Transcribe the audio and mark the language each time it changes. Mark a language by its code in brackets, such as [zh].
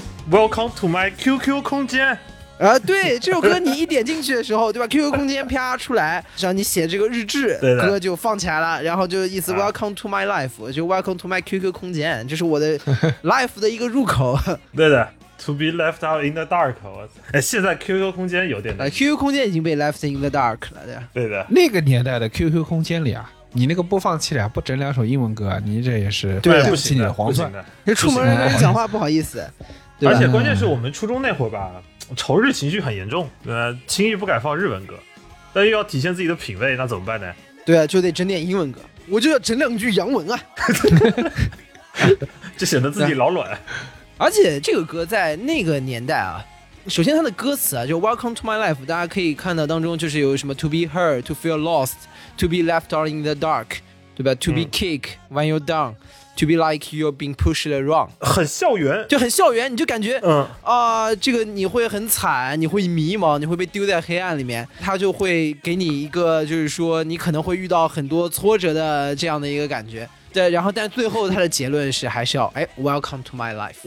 [en] Welcome to my QQ 空间。 [zh] 对，这首歌你一点进去的时候，对吧 ？QQ 空间啪出来，然后你写这个日志，歌就放起来了，然后就意思 [en] Welcome to my life， [zh] 就 [en] Welcome to my QQ [zh] 空间，这是我的 life 的一个入口。对的。 [en] To be left out in the dark， [zh] 现在 QQ 空间有点 QQ 空间已经被 [en] left in the dark [zh] 了，对吧？对的，那个年代的 QQ 空间里啊，你那个播放器里啊，不整两首英文歌，你这也是对不行的，黄钻的。出门跟人讲话不好意思，而且关键是我们初中那会儿吧，仇日情绪很严重，轻易不敢放日文歌，但又要体现自己的品味，那怎么办呢？对啊，就得整点英文歌，我就要整两句洋文啊，就显得自己老卵。而且这个歌在那个年代啊，首先它的歌词啊，就 [en] Welcome to my life， [zh] 大家可以看到当中就是有什么 [en] To be hurt, to feel lost, to be left out in the dark， [zh] 对吧 ？ [en] To be kicked when you're down, to be like you're being pushed wrong， [zh] 很校园，就很校园，你就感觉这个你会很惨，你会迷茫，你会被丢在黑暗里面，他就会给你一个就是说你可能会遇到很多挫折的这样的一个感觉。对，然后但最后他的结论是还是要 [en] Welcome to my life，